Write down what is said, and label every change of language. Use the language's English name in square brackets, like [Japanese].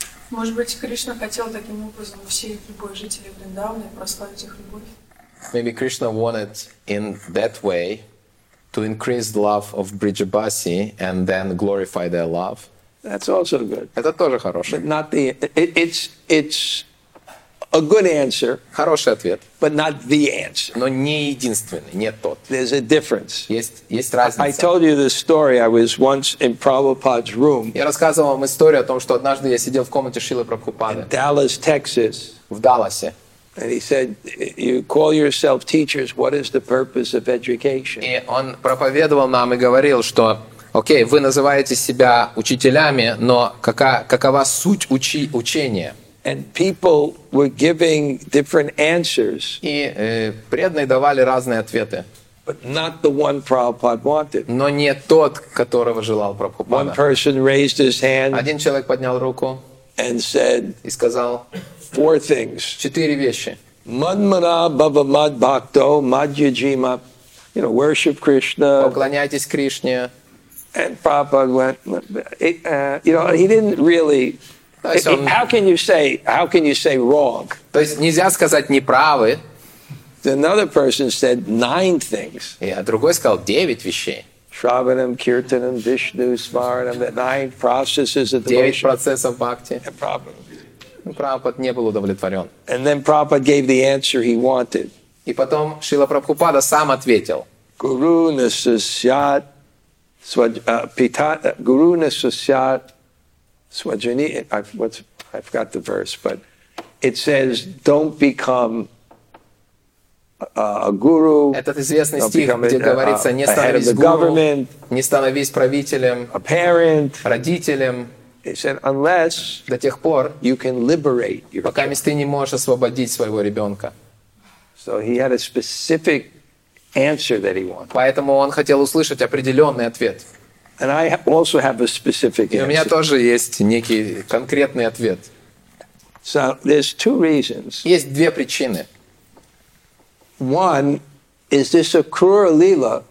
[Russian] Может быть, Кришна хотел таким образом все любовь жителей Вриндавана прославить их любовь. [English] Maybe Krishna wanted in that way to increase the love of Brijabasi and then glorify their love. That's also good. [Russian] Это тоже хорошее. [English] But not the it's a good answer. [Russian] Хороший ответ. [English] But not the answer. [Russian] Но не единственный, не тот. [English] There's a difference. [Russian] Есть разница. [English] I told you this story. I was once in Prabhupada's room. [Russian] Я рассказывал вам историю о том, что однажды я сидел в комнате Шрилы Прабхупады. [English] In Dallas, Texas. [Russian] В Далласе. [English] And he said, "You call yourself teachers. What is the purpose of education?" [Russian] И он проповедовал нам и говорил, что Окей, вы называете себя учителями, но какова суть учения? [English] And people were giving different answers. [Russian] И преданные давали разные ответы. [English] But not the one Prabhupada wanted. [Russian] Но не тот, которого желал Прабхупада. [English] One person raised his hand. [Russian] Один человек поднял руку. [English] And said. [Russian] И сказал. [English] Four things. [Russian] Четыре вещи. [Sanskrit] Манмана баба мад бхакто мадьяджима. [English] You know, worship Krishna. [Russian] Поклоняйтесь Кришне. [English] And Prabhupada went. You know, he didn't really. How can you say wrong? [Russian] То есть нельзя сказать неправы. [English] Another person said nine things. [Russian] А другой сказал девять вещей. [English] Shravanam, Kirtanam, Vishnu, Smaranam, the nine processes of devotion. [Russian] Девять процессов бхакти. [English] And Prabhupada. [Russian] Прабхупада не был удовлетворен. [English] And then Prabhupada gave the answer he wanted. [Russian] И потом Шрила Прабхупада сам ответил. [Sanskrit] Guru nasasyat svajpita. Guru nasasyat. [English] Swajani, I forgot the verse, but it says, "Don't become a guru." [Russian] Этот известный стих, где говорится, не становись гуру, не становись правителем, [English] a parent, [Russian] родителем. [English] It said, "Unless [Russian] до тех пор [English] you can liberate your [Russian] пока [English] child. [Russian] Ты не можешь освободить своего ребенка." [English] So he had a specific answer that he wanted. [Russian] Поэтому он хотел услышать определенный ответ. [English] And I also have a specific answer. [Russian] И у меня тоже есть некий конкретный ответ. [English] So there's two reasons. [Russian] Есть две причины. [English] One is this Akrura Lila.